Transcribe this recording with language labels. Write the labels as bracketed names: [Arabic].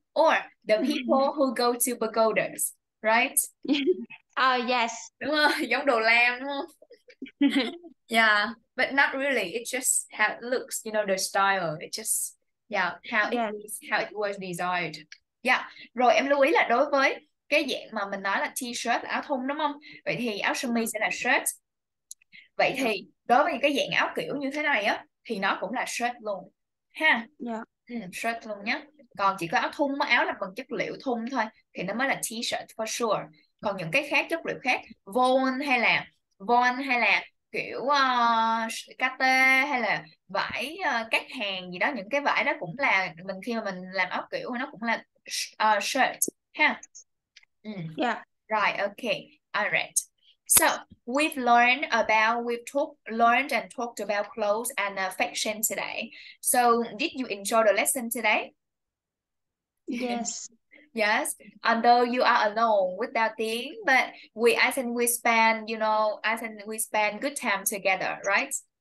[English] or the people who go to pagodas, right? Oh, yes. [Vietnamese] Đúng không? Giống đồ lam, đúng không? [English] Yeah, but not really. It just how it looks, you know, the style. It just, yeah, how it was designed. [Vietnamese] Yeah, rồi em lưu ý là đối với cái dạng mà mình nói là t-shirt, là áo thun đúng không? Vậy thì áo sơ mi sẽ là shirt. Vậy thì đối với cái dạng áo kiểu như thế này á, thì nó cũng là shirt luôn. Ha? [English] Yeah. [Vietnamese] Shirt luôn nhé. Còn chỉ có áo thun, áo là bằng chất liệu thun thôi, thì nó mới là t-shirt [English] for sure. [Vietnamese] Còn những cái khác, chất liệu khác, von hay là kiểu kate hay là vải các hàng gì đó, những cái vải đó cũng là mình khi mà mình làm áo kiểu nó cũng là shirt ha. [English] Yeah. Right, okay. Alright. So, we've talked about clothes and fashion today. So, did you enjoy the lesson today? Yes. Yes, although you are alone with that thing, but I think we spend good time together, right?